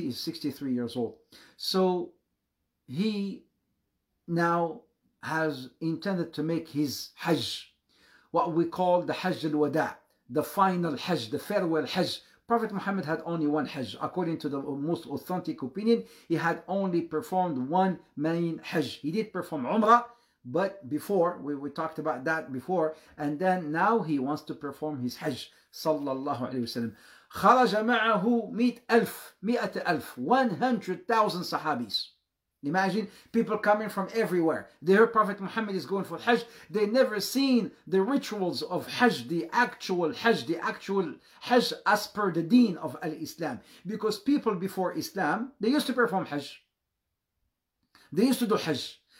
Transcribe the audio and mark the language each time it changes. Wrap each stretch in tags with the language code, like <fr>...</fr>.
<en>He's 63 years old. So he now has intended to make his Hajj, what we call the Hajj al-Wada', the final Hajj, the farewell Hajj. Prophet Muhammad had only one Hajj. According to the most authentic opinion, he had only performed one main Hajj. He did perform Umrah, but before, we talked about that before, and then now he wants to perform his Hajj, sallallahu alayhi wa sallam.</en> <ar>خرج معه مئة ألف,</ar> <en>100,000 Sahabis. Imagine people coming from everywhere. They heard Prophet Muhammad is going for Hajj. They never seen the rituals of Hajj, the actual Hajj as per the deen of Al-Islam. Because people before Islam, they used to perform Hajj. They used to do Hajj.</en>